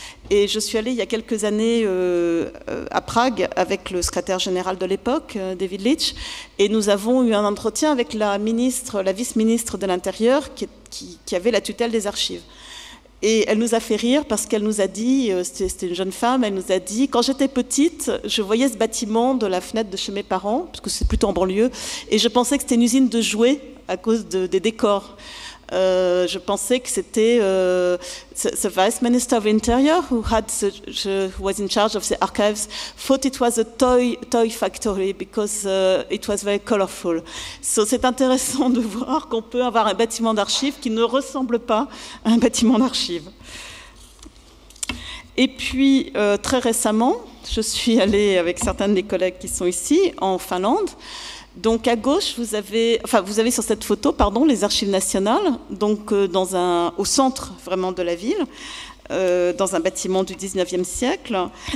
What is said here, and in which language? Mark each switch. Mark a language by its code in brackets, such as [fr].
[fr] Et je suis allée il y a quelques années à Prague avec le secrétaire général de l'époque, David Leitch, et nous avons eu un entretien avec la vice-ministre de l'Intérieur qui avait la tutelle des archives. Et elle nous a fait rire parce qu'elle nous a dit, c'était une jeune femme, elle nous a dit, quand j'étais petite, je voyais ce bâtiment de la fenêtre de chez mes parents, parce que c'est plutôt en banlieue, et je pensais que c'était une usine de jouets à cause des décors. Je pensais que c'était [en] the Vice Minister of Interior who was in charge of the archives thought it was a toy factory because it was very colorful. [fr] So c'est intéressant de voir qu'on peut avoir un bâtiment d'archives qui ne ressemble pas à un bâtiment d'archives. Et puis très récemment, je suis allée avec certains de mes collègues qui sont ici en Finlande. Donc à gauche, vous avez sur cette photo, pardon, les archives nationales, donc au centre vraiment de la ville, dans un bâtiment du 19e siècle.